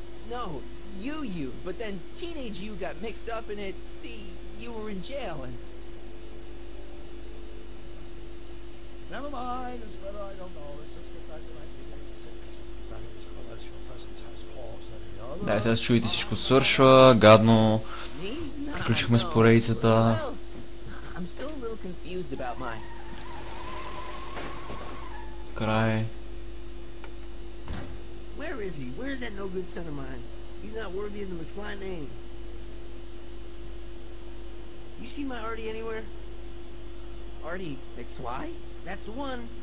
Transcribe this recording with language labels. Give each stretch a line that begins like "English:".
English: No, you, but then teenage you got mixed up in it. See, you were in jail and... No, Never mind. It's better I don't know. Let's just get back to 1986. That is, unless your presence has caused any other...
Bulgarian: Дай, сега чуйте, всичко свършва. Гадно. Приключихме с поредицата.
English: I'm still a little confused about my...
Bulgarian: Край.
English: Where is he? Where is that no good son of mine? He's not worthy of the McFly name. You see my Artie anywhere? Artie McFly? That's the one.